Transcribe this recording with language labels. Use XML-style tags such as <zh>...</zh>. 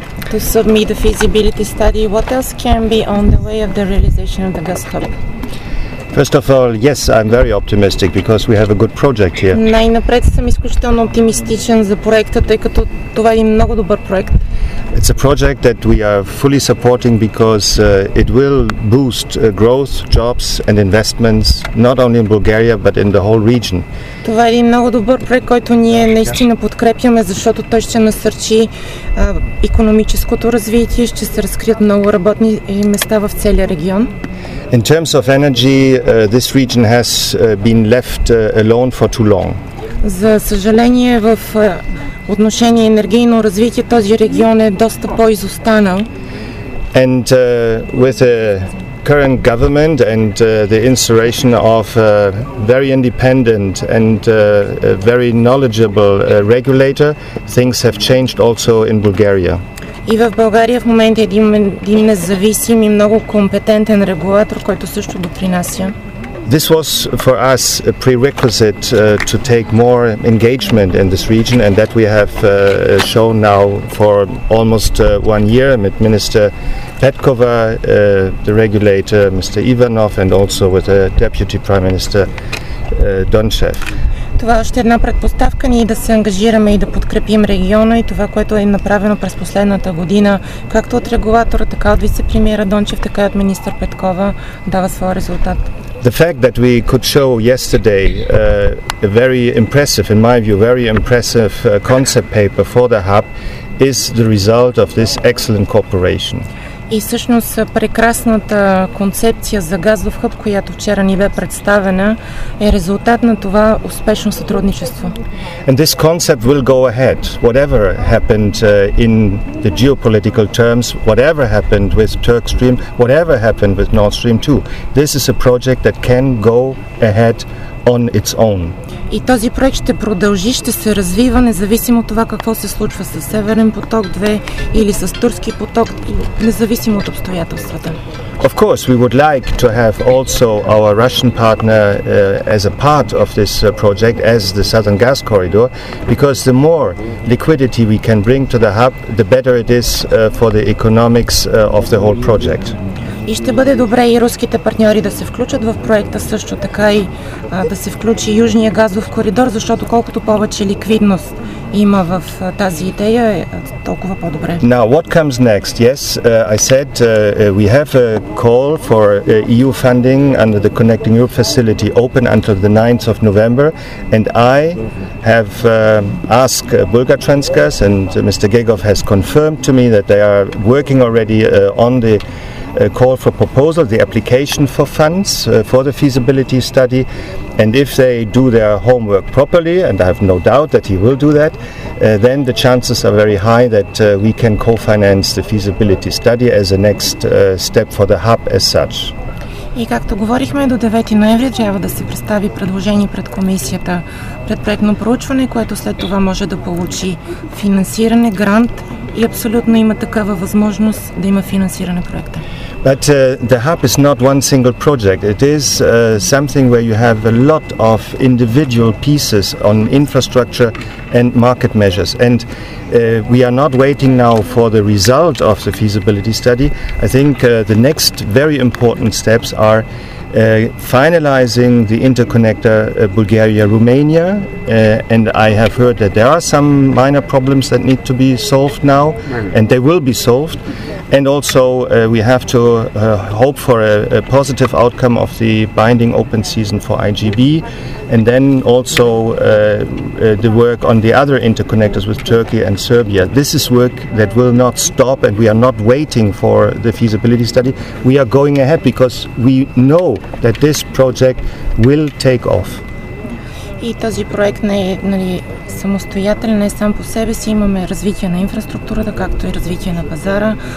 <en>To submit the feasibility study, what else can be on the way of the realization of the gas hub? First of all, yes, I'm very optimistic because we have a good project here.</en> <bg>Най-напред съм изключително оптимистичен за проекта, тъй като това е много добър проект.</bg> <en>It's a project that we are fully supporting because it will boost growth, jobs and investments not only in Bulgaria but in the whole region.</en> <bg>Това е много добър проект, който ние наистина подкрепяме, защото той ще насърчи икономическото развитие, ще се разкрият много работни места в целия регион.</bg> <en>In terms of energy, this region has been left alone for too long.</en> <bg>За съжаление, в отношение енергийно развитие този регион е доста по-изостанал.</bg> <en>And with the current government and the installation of a very independent and a very knowledgeable regulator, things have changed also in Bulgaria.</en> <bg>И в България в момента един независим и много компетентен регулатор, който също допринася.</bg> <en>This was for us a prerequisite to take more engagement in this region and that we have shown now for almost 1 year with Minister Petkova, the regulator Mr. Ivanov and also with the Deputy Prime Minister Donchev.</en> <bg>Това е още една предпоставка ние да се ангажираме и да подкрепим региона и това, което е направено през последната година, както от регулатора, така от вице-премиера Дончев, така и от министър Петкова, дава своя резултат.</bg> <en>The fact that we could show yesterday a very impressive, in my view, very impressive concept paper for the hub is the result of this excellent cooperation.</en> <bg>И всъщност прекрасната концепция за газов хъб, която вчера ни бе представена, е резултат на това успешно сътрудничество.</bg> <en>And this concept will go ahead. Whatever happened in the geopolitical terms, whatever happened with Turk Stream, whatever happened with Nord Stream 2, this is a project that can go ahead on its own.</en> <bg>И този проект ще продължи, ще се развива, независимо от това какво се случва с Северен поток 2 или с Турски поток, независимо от обстоятелствата.</bg> <en>Of course, we would like to have also our Russian partner as a part of this project, as the Southern Gas Corridor, because the more liquidity we can bring to the hub, the better it is for the economics of the whole project.</en> <bg>И ще бъде добре и руските партньори да се включат в проекта също така и да се включи Южния газов коридор, защото колкото повече ликвидност има в тази идея, толкова по-добре.</bg> <en>Now, what comes next? Yes, I said we have a call for EU funding under the Connecting Europe Facility open until the 9th of November and I have asked Bulgartransgaz and Mr. Gegov has confirmed to me that they are working already on the call for proposal, the application for funds for the feasibility study and if they do their homework properly, and I have no doubt that he will do that, then the chances are very high that we can co-finance the feasibility study as a next step for the hub as such.</en> <bg>И както говорихме, до 9 ноември трябва да се представи предложение пред комисията. предпроектно проучване, което след това може да получи финансиране, грант, и абсолютно има такава възможност да има финансиране проекта.</bg> <en>But the hub is not one single project. It is something where you have a lot of individual pieces on infrastructure and market measures. And we are not waiting now for the result of the feasibility study. I think the next very important steps are finalizing the interconnector Bulgaria-Romania, and I have heard that there are some minor problems that need to be solved now, and they will be solved. And also we have to hope for a positive outcome of the binding open season for IGB, and then also the work on the other interconnectors with Turkey and Serbia. This is work that will not stop, and we are not waiting for the feasibility study. We are going ahead because we know that this project will take off.</en> <bg>И този проект не е, нали, самостоятелен, не е сам по себе си. Имаме развитие на инфраструктурата, както и развитие на пазара.</bg>